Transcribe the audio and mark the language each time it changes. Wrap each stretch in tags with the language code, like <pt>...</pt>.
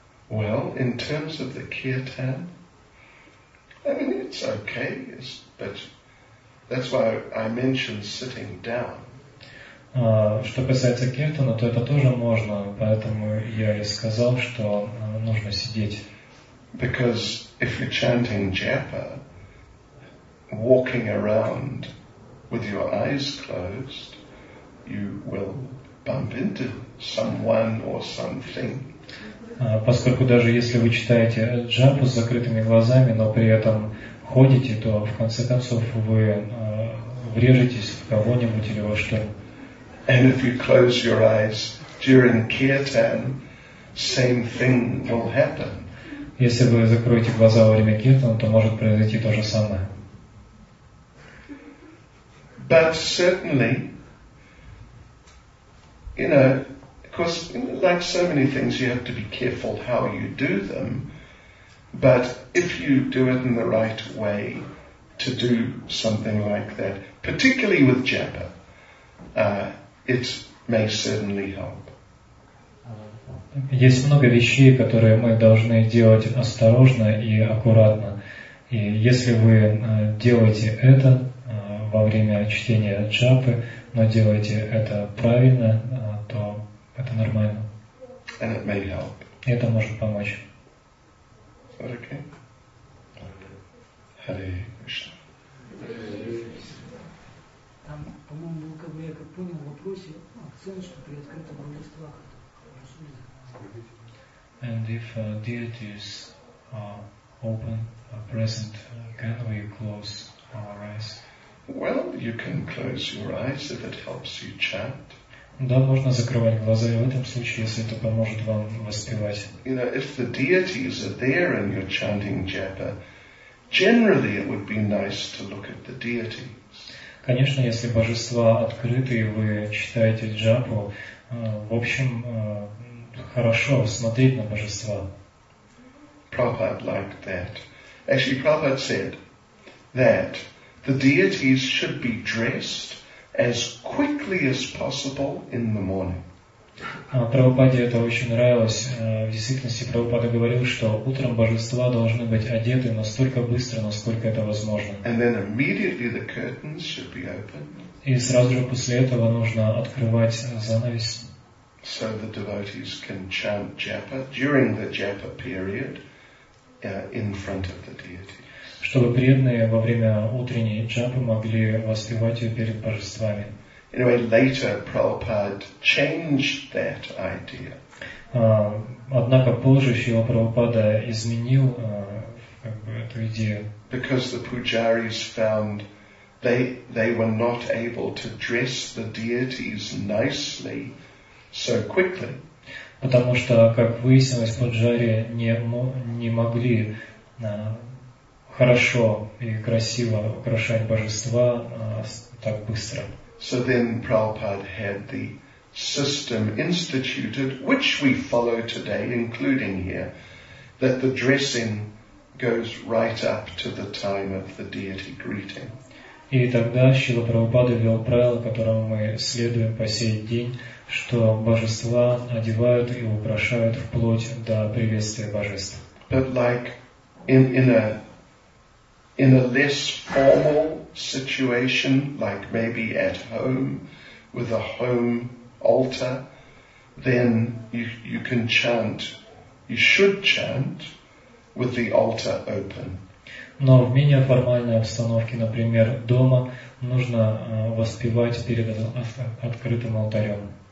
<en>Well, in terms of the kirtan, I mean, it's okay, but that's why I mentioned sitting down.</en> <ru>Что касается киртана, то это тоже можно, поэтому я и сказал, что нужно сидеть.</ru> <en>Because if you're chanting japa, walking around with your eyes closed, you will bump into someone or something.</en> <ru>Поскольку даже если вы читаете джапу с закрытыми глазами, но при этом ходите, то в конце концов вы врежетесь в кого-нибудь или во что.</ru> <en>And if you close your eyes during kirtan, same thing will happen.</en> <ru>Если вы закроете глаза во время киртана, то может произойти то же самое.</ru> <en>But certainly, you know, because like so many things, you have to be careful how you do them. But if you do it in the right way, to do something like that, particularly with japa, it may certainly help.</en> <ru>Есть много вещей, которые мы должны делать осторожно и аккуратно. И если вы делаете это во время чтения джапы, но делаете это правильно, то это нормально.</ru> <en>And it may help.</en> <ru>Это может помочь.</ru> <en>Okay. Okay. Hare Krishna.</en> <ru>Там, по-моему, как бы я как понял в вопросе, акцент, что при открытых божествах.</ru> <en>And if deities are open, present, can we close our eyes? Well, you can close your eyes if it helps you chant.</en> <ru>Да, можно закрывать глаза и в этом случае, если это поможет вам воспевать.</ru> <en>You know, if the deities are there and you're chanting japa, generally it would be nice to look at the deities.</en> <ru>Конечно, если божества открыты и вы читаете джапу, в общем, хорошо смотреть на божества.</ru> <en>Prabhupada liked that. Actually, Prabhupada said that the deities should be dressed as quickly as possible in the morning.</en> <ru>Прабхупаде это очень нравилось. В действительности Прабхупада говорил, что утром божества должны быть одеты настолько быстро, насколько это возможно.</ru> <en>And then immediately the curtains should be opened.</en> <ru>И сразу же после этого нужно открывать занавес.</ru> <en>So the devotees can chant japa during the japa period in front of the deity.</en> <ru>Чтобы преданные во время утренней джапы могли воспевать ее перед божествами.</ru> <en>Anyway, later Prabhupada changed that idea.</en> <ru>Однако позже Шрила Прабхупада изменил как бы эту идею.</ru> <en>Because the pujaris found they were not able to dress the deities nicely so quickly.</en> <ru>Потому что, как выяснилось, пуджари не могли хорошо и красиво украшать божества так быстро.</ru> <en>So then Prabhupada had the system instituted, which we follow today, including here, that the dressing goes right up to the time of the deity greeting.</en> <ru>И тогда Шрила Прабхупада ввел правило, которому мы следуем по сей день, что божества одевают и украшают вплоть до приветствия божеств.</ru> <en>But like in a less formal situation, like maybe at home with a home altar, then you can chant, you should chant with the altar open.</en> <ru>Но в менее формальной обстановке, например, дома, нужно воспевать перед открытым алтарем.</ru>